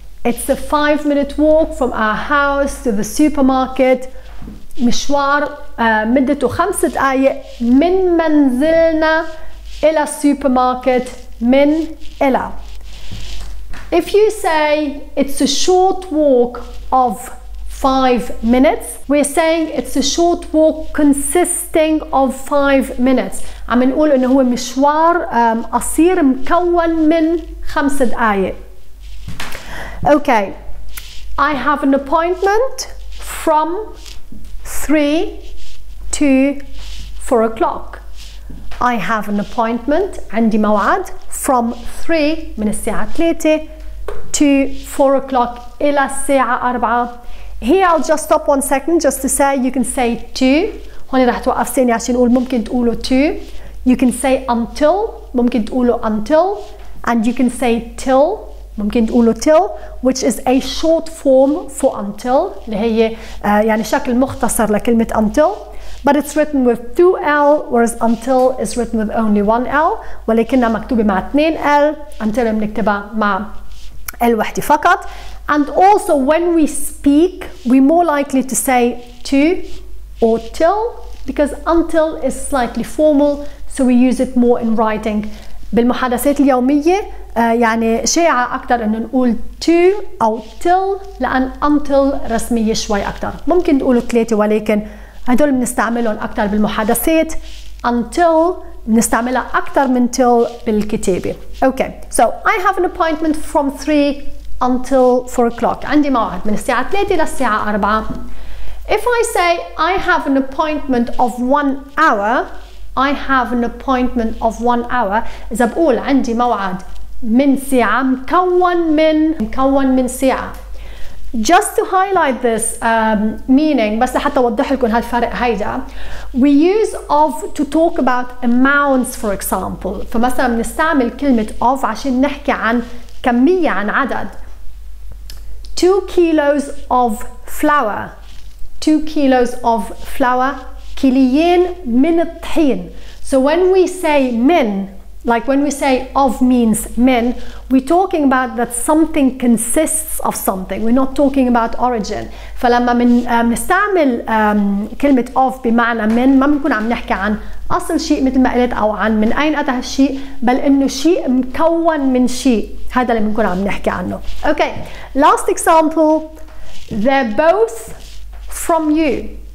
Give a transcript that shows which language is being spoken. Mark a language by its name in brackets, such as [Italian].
[English] It's a 5-minute walk from our house to the supermarket. [Arabic] مشوار مدته 5 دقائق من منزلنا إلى السوبرماركت من إلى. [English] If you say it's a short walk of 5 minutes, we're saying it's a short walk consisting of 5 minutes. [Arabic] عم نقول إنه هو مشوار قصير مكون من 5 دقائق. [English] Okay, I have an appointment from 3 to 4 o'clock. I have an appointment, [Arabic] عندي موعد, [English] from 3 [Arabic] من الساعة 3 [English] to 4 o'clock [Arabic] إلى الساعة 4. [English] Here I'll just stop one second just to say you can say to. [Arabic] هوني راح توقف ثانية عشان أقول ممكن تقولوا to. [English] You can say until, [Arabic] ممكن تقولوا until. [English] And you can say till, [Arabic] ممكن تقولوا till, [English] which is a short form for until, [Arabic] اللي هي يعني شكل مختصر لكلمة until. [English] But it's written with 2L, whereas until is written with only 1L. [Arabic] ولكنها مكتوبة مع 2L, until بنكتبها مع L وحدة فقط. [English] And also when we speak, we're more likely to say to or till, because until is slightly formal, so we use it more in writing. [Arabic] بالمحادثات اليومية يعني شائعة أكثر أن نقول to أو till, لأن until رسمية شوي أكثر. ممكن تقولوا ثلاثة ولكن هدول بنستعملهم أكثر بالمحادثات. Until بنستعملها أكثر من till بالكتابة. [English] Okay, so I have an appointment from 3 until 4 o'clock. [Arabic] عندي موعد من الساعة 3 إلى الساعة 4. [English] If I say I have an appointment of 1 hour, I have an appointment of 1 hour. [Arabic] إذا بقول عندي موعد من ساعة مكون من ساعة. [English] Just to highlight this meaning, [Arabic] بس لحتى أوضح لكم هالفرق هيدا, [English] we use of to talk about amounts, for example. [Arabic] فمثلا بنستعمل كلمة of عشان نحكي عن كمية, عن عدد. [English] 2 kilos of flour. 2 kilos of flour. [Arabic] كليين من الطحين. [English] So when we say من, like when we say of means men, we're talking about that something consists of something. We're not talking about origin. [Arabic] فلما منستعمل كلمة of بمعنى من, ما بنكون عم نحكي عن أصل شيء مثل ما قلت أو عن من أين أتى هالشيء, بل إنه شيء مكون من شيء. هذا اللي بنكون عم نحكي عنه. [English] Okay, last example. They're both from you.